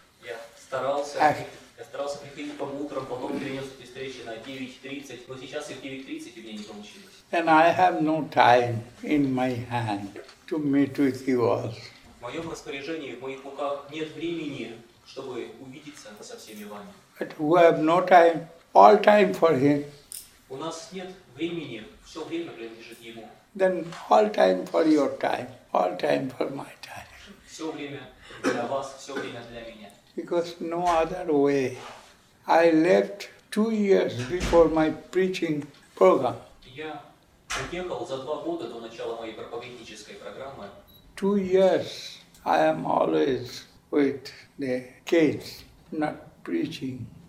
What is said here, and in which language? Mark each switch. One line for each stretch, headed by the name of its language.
Russian: Я старался каким-то по утрам, потом перенес эти встречи на 9:30, но сейчас и в 9:30 у меня не получилось.
English: And I have no time in my hand to meet with you all.
Russian: В моем распоряжении, в моих руках нет времени, чтобы увидеться со всеми вами.
English: But we have no time, all time for him.
Russian: У нас нет времени, все время принадлежит ему.
English: Then all time for your time, all time for my time.
Russian: Все время для вас, все время для меня.
English: Because no other way. I left 2 years before my preaching program.
Russian: Я уехал за 2 года до начала моей проповеднической программы.
English: 2 years I am always with the kids, not preaching.